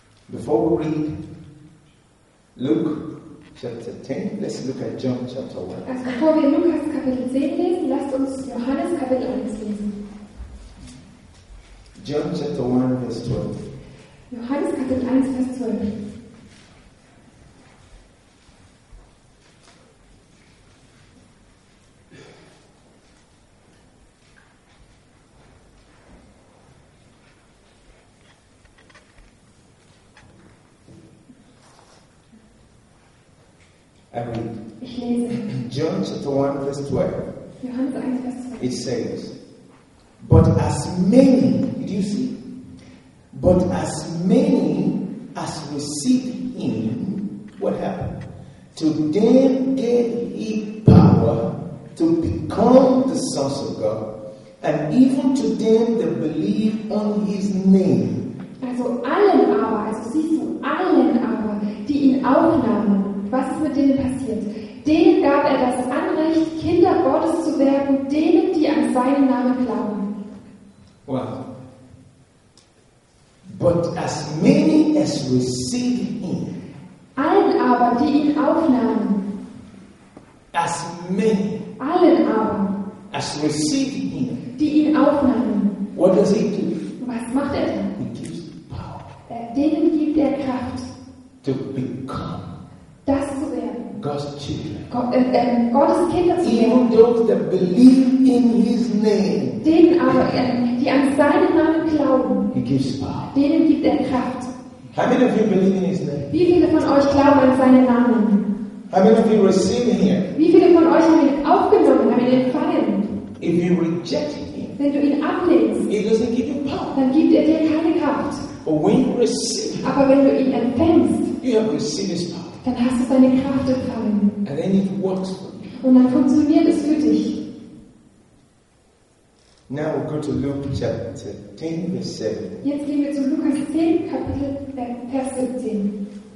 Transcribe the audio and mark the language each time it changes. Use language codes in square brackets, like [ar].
[en] Before we read Luke chapter 10, let's look at John chapter 1. [de] Also bevor wir Lukas Kapitel 10 lesen, lasst uns Johannes Kapitel 1 lesen. [en] John chapter 1, verse 12. [de] Johannes Kapitel 1, Vers 12. [en] John chapter 1 verse 12. [de] Johannes 1 verse 12. [en] It says, but as many, did you see? But as many as received him, what happened? To them gave he power to become the sons of God, and even to them that believe on his name. [de] Also allen aber, also siehst du, allen aber, die ihn aufnahmen, was ist mit denen passiert? Denen gab er das Anrecht, Kinder Gottes zu werden, denen, die an seinen Namen glauben. Wow. [en] But as many as received him. [de] Allen aber, die ihn aufnahmen. [en] As many. [de] Allen aber. [en] As received him. [de] Die ihn aufnahmen. [en] What does he do? [de] Was macht er denn? [en] He gives power. [de] Denen gibt er Kraft. [en] To become. [de] Das zu werden. [en] God's children. [de] Gottes Kinder zu werden. [en] Even those that believe in his name. [de] Denen aber, die an seinen Namen glauben. [en] He gives power. [de] Denen gibt er Kraft. [en] How many of you believe in his name? [de] Wie viele von euch glauben an seinen Namen? [en] How many of you receive him? [de] Wie viele von euch haben ihn aufgenommen, haben ihn empfangen? [en] If you reject him. [de] Wenn du ihn ablehnst. [en] He doesn't give you power. [de] Dann gibt er dir keine Kraft. [en] But when you receive him, [de] aber wenn du ihn empfängst. [en] You have received his power. [de] Dann hast du deine Kraft empfangen. [en] And then it works for you. [de] Und dann funktioniert es für dich. [en] Now we'll go to Luke chapter 10, verse 7. [de] Jetzt gehen wir zu Lukas 10, Kapitel, Vers 17.